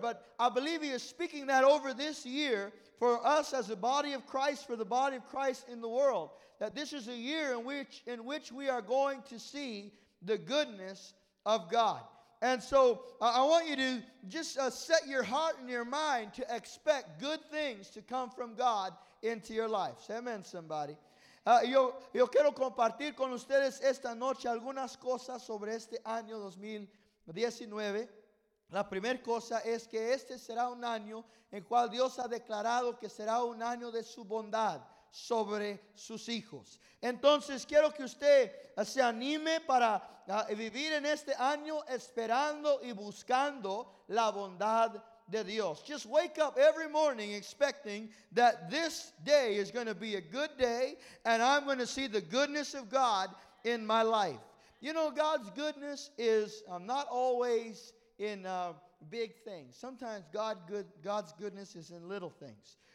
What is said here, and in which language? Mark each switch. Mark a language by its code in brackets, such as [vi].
[en] But I believe he is speaking that over this year for us as a body of Christ, for the body of Christ in the world. That this is a year in which we are going to see the goodness of God. And so I want you to just set your heart and your mind to expect good things to come from God into your life. Say amen, somebody. [es] Yo quiero compartir con ustedes esta noche algunas cosas sobre este año 2019. La primera cosa es que este será un año en cual Dios ha declarado que será un año de su bondad sobre sus hijos. Entonces quiero que usted se anime para vivir en este año esperando y buscando la bondad de Dios. [en] Just wake up every morning expecting that this day is going to be a good day and I'm going to see the goodness of God in my life. You know, God's goodness is not always in big things. Sometimes God's goodness is in little things.